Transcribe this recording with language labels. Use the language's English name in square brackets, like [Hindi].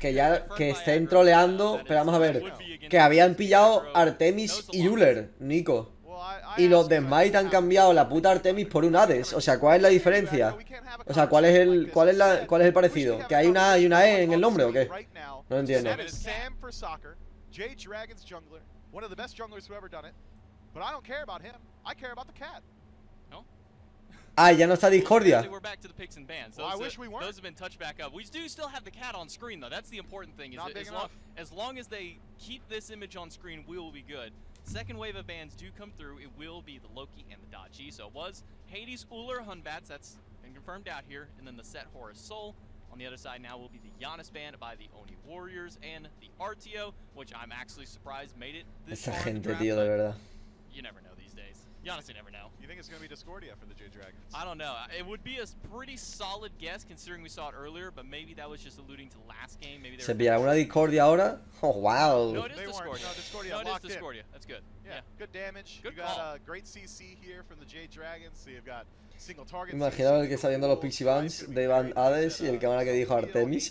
[Spanish] Que ya que estén troleando, pero vamos a ver. Que habían pillado Artemis y Euler, Nico. Y los de Smite han cambiado la puta Artemis por un Hades. O sea, ¿cuál es la diferencia? O sea, ¿cuál es el parecido? ¿Que hay una A y una E en el nombre o qué? No entiendo. [English] Sam for soccer, Jade Dragons jungler, one of the best junglers who ever done it. But I don't care about him. I care about the cat. [Spanish] No. Ah, ya no está Discordia. [English] We're back to the picks and bans. Those, well, I wish we weren't. Those have been touched back up. We do still have the cat on screen though. That's the important thing. Not big enough. As long as they keep this image on screen, we will be good. Second wave of bans do come through. It will be the Loki and the Dodgy. So it was Hades, Uller, Hunbats. That's been confirmed out here. And then the set Horus Soul. On the other side now will be the Giannis ban by the Oni Warriors and the RTO, which I'm actually surprised made it this far. [Spanish] Esa gente, tío, de verdad. [English] You never know these days. You honestly never know. You think it's going to be Discordia for the J Dragons? I don't know. It would be a pretty solid guess considering we saw it earlier, but maybe that was just alluding to last game. Maybe [Spanish] ¿Se pillará una Discordia ahora? [English] Oh, wow. No, it is they Discordia. No, Discordia. No, it is Discordia. In. That's good. Yeah. Good damage. Good you call. Got a great CC here from the J Dragons. So you've got single target. [Spanish] Imaginaba el que está viendo los Pixie Bans de Van Hades y el cámara que dijo Artemis.